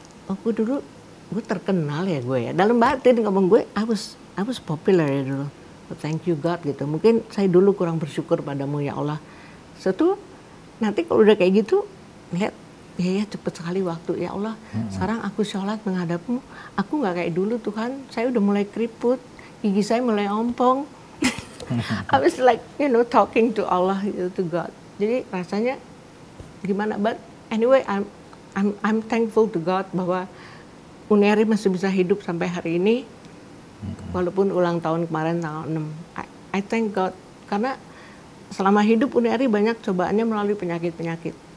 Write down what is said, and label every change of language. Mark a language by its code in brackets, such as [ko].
[id] Aku dulu, gue terkenal ya gue ya. Dalam batin ngomong gue, [en] I was popular [id] ya dulu. [en] But thank you God [id] gitu. Mungkin saya dulu kurang bersyukur padamu ya Allah. Setu, nanti kalau udah kayak gitu, lihat, ya cepet sekali waktu. Ya Allah, sekarang aku sholat menghadapmu. Aku gak kayak dulu Tuhan, saya udah mulai keriput. Gigi saya mulai ompong. [en] I was like, you know, talking to Allah, gitu, to God. [id] Jadi rasanya gimana, [en] but anyway, I'm thankful to God [id] bahwa Uni Erni masih bisa hidup sampai hari ini, walaupun ulang tahun kemarin tanggal 6. [en] I thank God, [id] karena selama hidup Uni Erni banyak cobaannya melalui penyakit-penyakit.